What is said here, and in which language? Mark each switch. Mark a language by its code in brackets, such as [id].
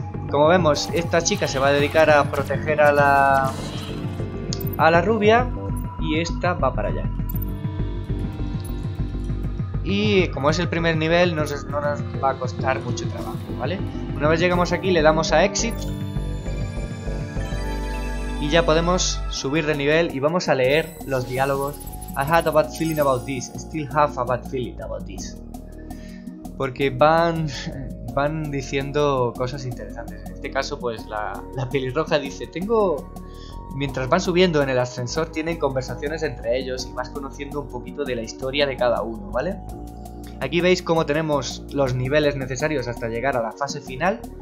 [es] Como vemos, esta chica se va a dedicar a proteger a la rubia y esta va para allá. Y como es el primer nivel, no nos va a costar mucho trabajo, ¿vale? Una vez llegamos aquí, le damos a Exit. Y ya podemos subir de nivel y vamos a leer los diálogos. [en] I had a bad feeling about this. I still have a bad feeling about this. [es] Porque van diciendo cosas interesantes. En este caso, pues la pelirroja dice: tengo... Mientras van subiendo en el ascensor, tienen conversaciones entre ellos y vas conociendo un poquito de la historia de cada uno, ¿vale? Aquí veis cómo tenemos los niveles necesarios hasta llegar a la fase final.